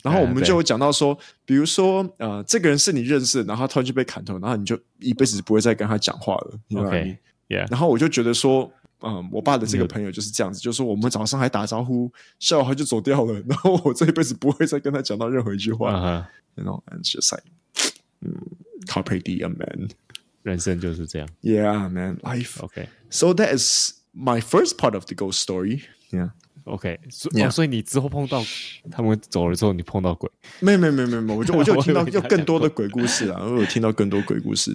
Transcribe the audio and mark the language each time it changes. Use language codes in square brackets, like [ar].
[zh] 然后我们就有讲到说，比如说这个人是你认识的，然后他突然就被砍头，然后你就一辈子不会再跟他讲话了 [en] ，OK，Yeah， [zh] 然后我就觉得说。我爸的这个朋友就是这样子，就是说我们早上还打招呼，下午他就走掉了，然后我这一辈子不会再跟他讲到任何一句话。 [en] You know, and it's just like, carpe diem, man. [zh] 人生就是这样。 [en] Yeah, man, life. Okay. So that is my first part of the ghost story. Yeah. Okay. So, yeah. [zh] 所以你之后碰到他们走了之后，你碰到鬼？没有，我就听到有更多的鬼故事啊，我有听到更多鬼故事。